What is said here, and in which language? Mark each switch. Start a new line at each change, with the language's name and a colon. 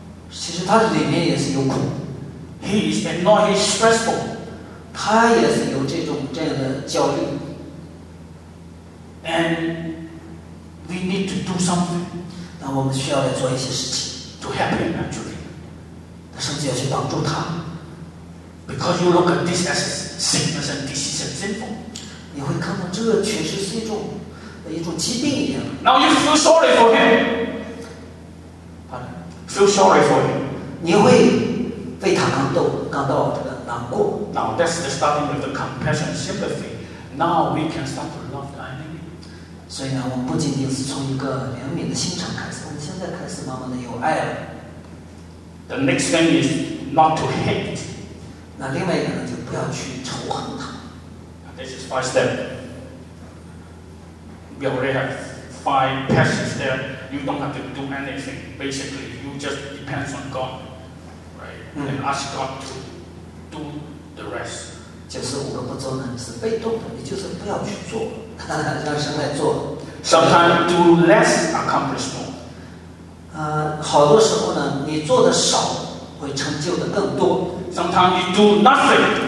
Chinese: 其实他里面也是有苦。
English: He is annoyed, he's stressful.
Chinese: 他也是有这样的焦虑。
English: And we need to do something.
Chinese: 那我们需要来做一些事情。
English: To help him actually.
Chinese: 那甚至要去帮助他。
English: Because you look at this as sickness and disease and sinful.
Chinese: 你会看到这确实是一种疾病一样。
English: Now you feel sorry for him. Feel sorry for him.
Chinese: 你会为他感到这个难过。
English: Now that's the starting with the compassion sympathy. Now we can start to love the enemy.
Chinese: 所以呢，我们不仅仅是从一个怜悯的心肠开始，我们现在开始慢慢的有爱了。
English: The next thing is not to hate.
Chinese: 那另外一个呢，就不要去仇恨他。
English: This is five steps. We already have five passages there. You don't have to do anything. Basically, you just depend on God, right?、Mm. And ask God to do the rest.
Chinese: 就是五个步骤呢，是被动的，你就是不要去做，让神来做。
English: Sometimes do less, accomplish more.
Chinese: 好多时候呢，你做的少会成就的更多。
English: Sometimes you do nothing.